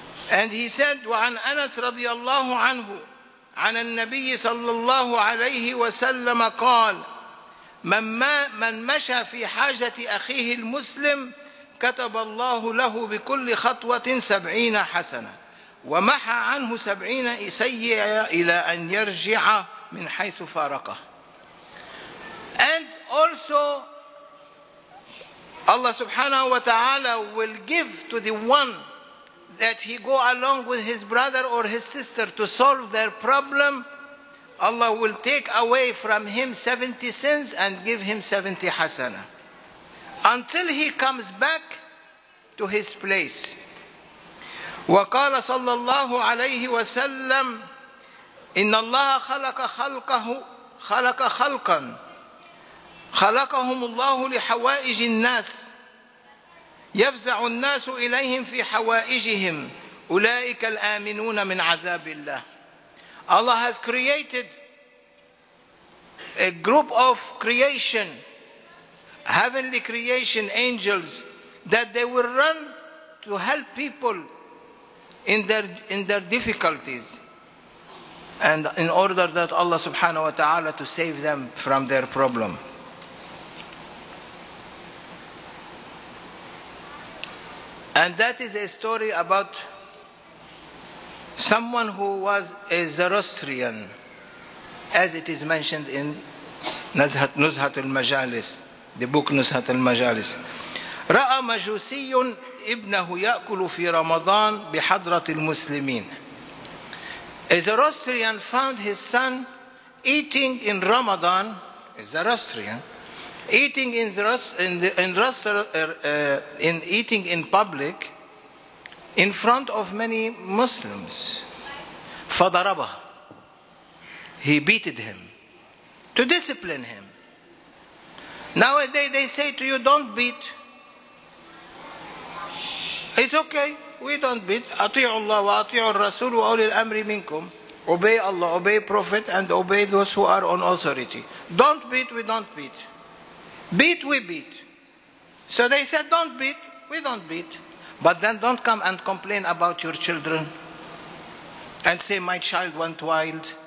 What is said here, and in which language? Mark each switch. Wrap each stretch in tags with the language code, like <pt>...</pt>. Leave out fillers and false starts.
<en>And he said,</en> <ar>وعن أنس رضي الله عنه عن النبي صلى الله عليه وسلم قال من مشى في حاجة أخيه المسلم كتب الله له بكل خطوة 70 حسنة ومحى عنه 70 سيئة إلى أن يرجع من حيث فارقه.</ar> <en>And also Allah subhanahu wa ta'ala will give to the one that he go along with his brother or his sister to solve their problem, Allah will take away from him 70 sins and give him 70 hasana until he comes back to his place.</en> <ar>وقال صلى الله عليه وسلم إن الله خلق خلقه خلق خلقا خلقهم الله لحوائج الناس يفزع الناس إليهم في حوائجهم أولئك الآمنون من عذاب الله.</ar> <en>Allah has created a group of creation, heavenly creation, angels, that they will run to help people in their difficulties, and in order that Allah subhanahu wa ta'ala to save them from their problem. And that is a story about someone who was a Zoroastrian, as it is mentioned in Nuzhat al-Majalis, the book Nuzhat al-Majalis.</en> <ar>رأى مجوسي ابنه يأكل في رمضان بحضرة المسلمين.</ar> <en>A Zoroastrian found his son eating in Ramadan, a Zoroastrian, eating in public in front of many Muslims.</en> <ar>فضربه,</ar> <en>he beat him to discipline him. Nowadays they say to you, don't beat, it's okay, we don't beat.</en> <ar>أطيعوا الله وأطيعوا الرسول وأولي الأمر منكم.</ar> <en>Obey Allah, obey Prophet, and obey those who are on authority. Don't beat, we don't beat. Beat, we beat. So they said, don't beat, we don't beat. But then don't come and complain about your children and say, my child went wild.</en>